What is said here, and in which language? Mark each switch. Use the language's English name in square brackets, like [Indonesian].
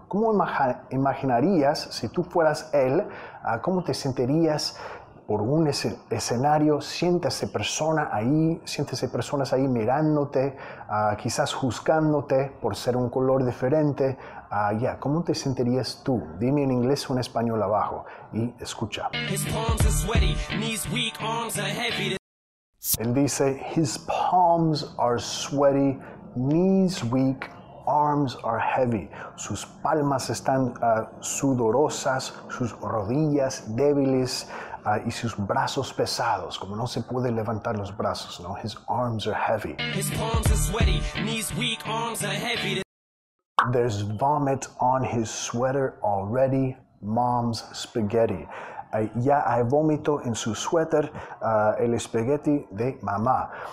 [Spanish] ¿Cómo imaginarías, si tú fueras él, cómo te sentirías por un escenario, siéntese personas ahí mirándote, quizás juzgándote por ser un color diferente. ¿Cómo te sentirías tú? Dime en inglés o en español abajo y escucha. [English] His palms are sweaty, knees weak, arms are heavy. [Spanish] Él dice, [English] his palms are sweaty, knees weak, arms are heavy. [Spanish] Sus palmas están sudorosas, sus rodillas débiles y sus brazos pesados, como no se puede levantar los brazos, ¿no? [English] His arms are heavy. His palms are sweaty, knees weak, arms are heavy. There's vomit on his sweater already, mom's spaghetti. [Spanish] Ya hay vómito en su suéter, el espagueti de mamá.